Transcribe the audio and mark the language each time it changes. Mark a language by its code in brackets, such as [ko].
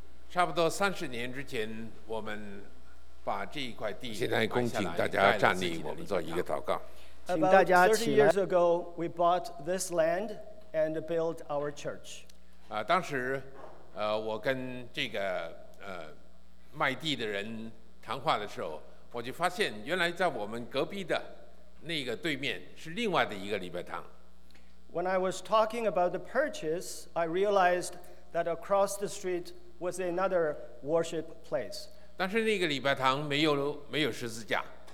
[zh] 差不多30年之前，我们把这一块地。现在恭请大家站立，我们做一个祷告。 [en] About 30 years ago, we bought this land and built our church. [zh] 当时我跟这个卖地的人谈话的时候，我就发现原来在我们隔壁的那个对面是另外的一个礼拜堂。 [en] When I was talking about the purchase, I realized that across the street was another worship place. [zh] 但是那个礼拜堂没有十字架。